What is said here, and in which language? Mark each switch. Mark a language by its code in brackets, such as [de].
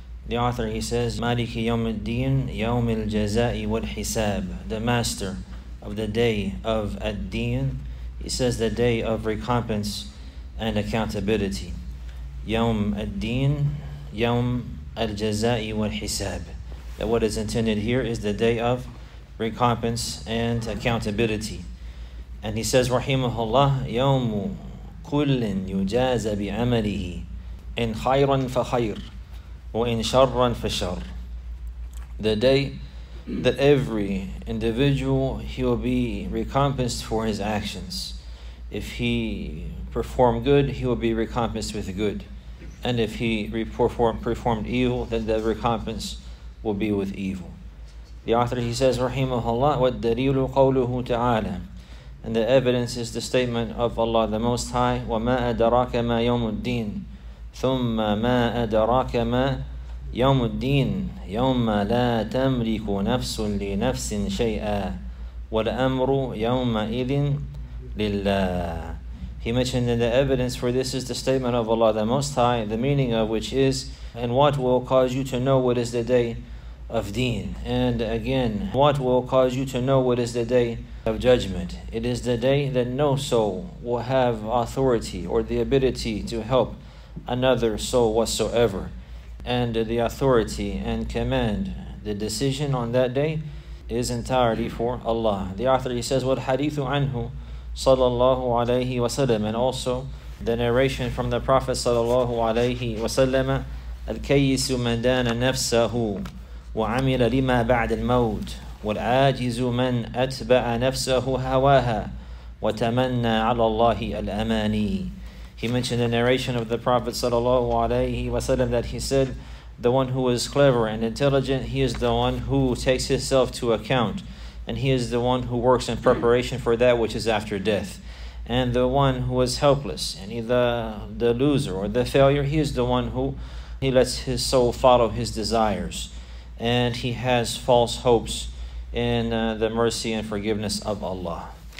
[en] The author, he says, [ar] مَالِكِ يَوْمِ الدِّينِ يَوْمِ الْجَزَاءِ وَالْحِسَابِ, [en] the master of the day of الدين. He says the day of recompense and accountability. [ar] يَوْمِ الدِّينِ يَوْمِ الْجَزَاءِ وَالْحِسَابِ. [en] That what is intended here is the day of recompense and accountability. And he says, [ar] رَحِيمُهُ اللَّهِ يَوْمُ كُلٍ يُجَازَ بِعَمَلِهِ إِنْ خَيْرًا فَخَيْرٍ وَإِنْ شَرًّا فَشَرٍ. [en] The day that every individual, he will be recompensed for his actions. If he perform good, he will be recompensed with good. And if he performed evil, then the recompense will be with evil. The author, he says, [ar] رَحِيمُهُ وَالدَّلِيلُ قَوْلُهُ تَعَالَى. [en] And the evidence is the statement of Allah the Most High, [ar] وَمَا أَدَرَاكَ مَا يَوْمُ الدِّينِ ثُمَّ مَا أَدَرَاكَ مَا يَوْمُ الدِّينِ يَوْمَّ لَا تَمْلِكُ نَفْسٌ لِنَفْسٍ شَيْئًا وَالْأَمْرُ يَوْمَئِذٍ لِلَّهِ. [en] He mentioned that the evidence for this is the statement of Allah the Most High, the meaning of which is, and what will cause you to know what is the day of deen? And again, what will cause you to know what is the day of judgment? It is the day that no soul will have authority or the ability to help another soul whatsoever. And the authority and command, the decision on that day is entirely for Allah. The author, he says, [ar] وَالْحَدِيثُ عَنْهُ صَلَى اللَّهُ عَلَيْهِ وَسَلَّمَ. [en] And also the narration from the Prophet [ar] صلى الله عليه وسلم, الْكَيِّسُ مَنْ دَانَ نَفْسَهُ وَعَمِلَ لِمَا بَعْدِ الْمَوْتِ وَالْعَاجِزُ مَنْ أَتْبَعَ نَفْسَهُ هَوَاهَا وَتَمَنَّى عَلَى اللَّهِ الْأَمَانِي. [en] He mentioned the narration of the Prophet sallallahu alaihi wasallam that he said, the one who is clever and intelligent, he is the one who takes himself to account, and he is the one who works in preparation for that which is after death. And the one who is helpless, and the loser or the failure, he is the one who he lets his soul follow his desires, and he has false hopes in the mercy and forgiveness of Allah.